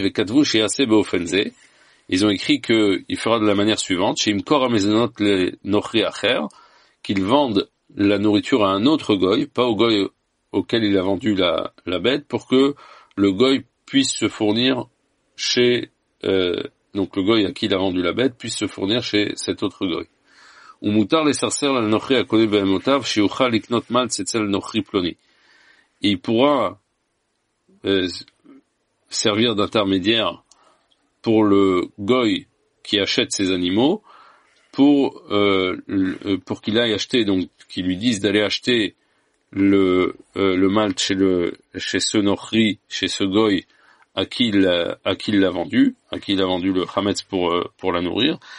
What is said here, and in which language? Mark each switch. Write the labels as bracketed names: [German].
[Hebrew] Vekatvu sheyaseh beofenze, [French] ils ont écrit que il fera de la manière suivante: [Hebrew] sheimkor hamezonot lenochri acher, [French] qu'il vende la nourriture à un autre goy, pas au goy auquel il a vendu la bête, pour que le goy puisse se fournir chez donc le goy à qui il a vendu la bête puisse se fournir chez cet autre goy. [Hebrew] ומותר לסרסר לנוכרי הקונה בהמותיו שיוכל לקנות מלץ אצל נוכרי פלוני. [French] Il pourra servir d'intermédiaire pour le goy qui achète ses animaux pour qu'il aille acheter, donc qu'il lui dise d'aller acheter le malt chez ce goy à qui il a vendu le chametz pour la nourrir.